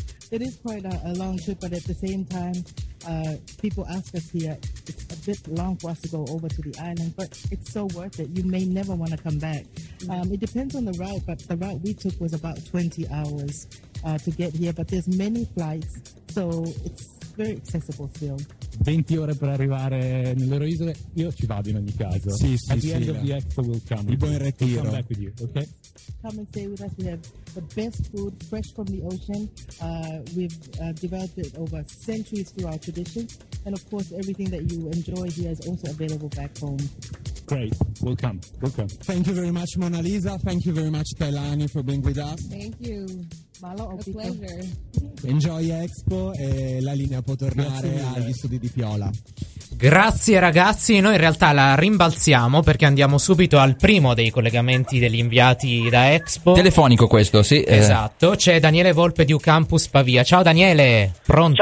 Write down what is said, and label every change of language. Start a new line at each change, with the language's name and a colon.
English: It is quite a long trip, but at the same time, people ask us here, it's a bit long for us to go over to the island, but it's so worth it. You may never want to come back. Mm-hmm. It depends on the route, but the route we took was about 20 hours to get here, but there's many flights, so it's very accessible still.
Italian: 20 ore per arrivare nelle loro isole, io ci vado in ogni caso. Sì, sì,
English: at the
Italian: sì,
English: end
Italian: sì,
English: of the expo, we'll come.
Italian: Il buon ritiro.
English: We'll come back with you, okay? Come and stay with us. We have the best food fresh from the ocean. We've developed it over centuries through our traditions. And of course, everything that you enjoy here is also available back home. Great. Welcome. Welcome. Thank you very much, Mona Lisa. Thank you very much, Telani, for being with us. Thank you. Malo, a pleasure. Enjoy Expo
Italian: e la linea può tornare agli studi di Piola. Grazie ragazzi, noi in realtà la rimbalziamo perché andiamo subito al primo dei collegamenti degli inviati da Expo. Telefonico questo, sì. Esatto, c'è Daniele Volpe di Ucampus Pavia. Ciao Daniele, pronto?